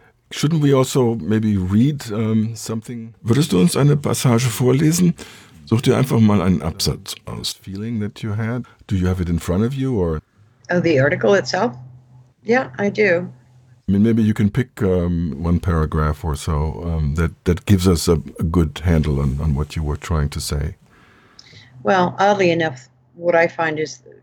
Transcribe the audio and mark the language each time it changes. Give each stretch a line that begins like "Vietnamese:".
English: Shouldn't we also maybe read something?
German: Würdest du uns eine Passage vorlesen? Such dir einfach mal einen Absatz aus.
English: Feeling that you had. Do you have it in front of you or? Oh, the article itself? Yeah, I do. I mean, maybe you can pick one paragraph or so that gives us a good handle on what you were trying to say. Well, oddly enough, what I find is.